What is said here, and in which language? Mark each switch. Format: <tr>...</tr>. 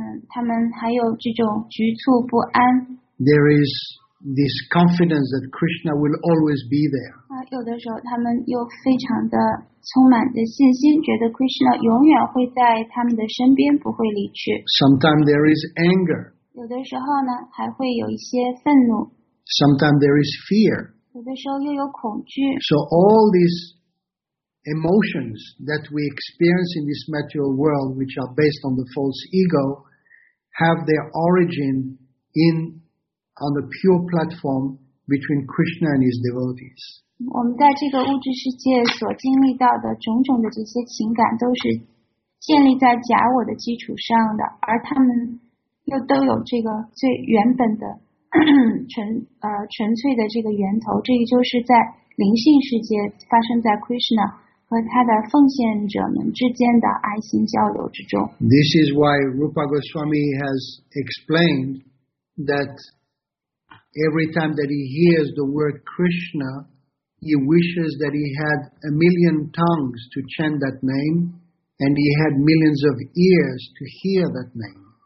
<zh>他们还有这种局促不安。</zh> <en>There is this confidence that Krishna will always be there.</en> <zh>有的时候他们又非常的充满的信心，觉得 Krishna 永远会在他们的身边，不会离去。</zh> <en>Sometimes there is anger.</en> <zh>有的时候呢，还会有一些愤怒。</zh> <en>Sometimes there is fear.</en> <zh>有的时候又有恐惧。</zh> <en>So all these emotions that we experience in this material world, which are based on the false ego, have their origin on the pure platform between Krishna and his devotees.</en> <zh>我们在这个物质世界所经历到的种种的这些情感都是建立在假我的基础上的，而他们又都有这个最原本的纯粹的这个源头，这个就是在灵性世界发生在 Krishna 和他的奉献者们之间的爱心交流之中。</zh> <en>This is why Rupa Goswami has explained that every time that he hears the word Krishna, he wishes that he had a million tongues to chant that name, and he had millions of ears to hear that name.</en>